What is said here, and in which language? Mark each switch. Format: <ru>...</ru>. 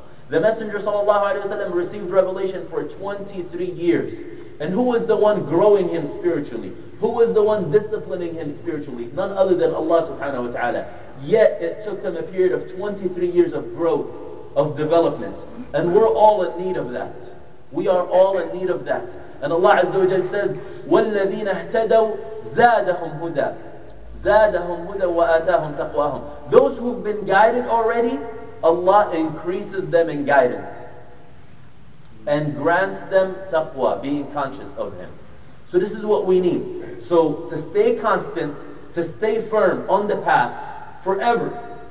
<en>The Messenger ﷺ received revelation for 23 years. And who was the one growing him spiritually? Who was the one disciplining him spiritually? None other than Allah subhanahu wa ta'ala. Yet it took him a period of 23 years of growth, of development. And we're all in need of that. We are all in need of that. And Allah Azza wa Jal says,</en> <ar>وَالَّذِينَ اهْتَدَوْا زَادَهُمْ هُدَى زَادَهُمْ هُدَى وَآتَاهُمْ تَقْوَاهُمْ.</ar> <en>Those who've been guided already, Allah increases them in guidance and grants them taqwa, being conscious of Him. So this is what we need. So to stay constant, to stay firm on the path forever.</en>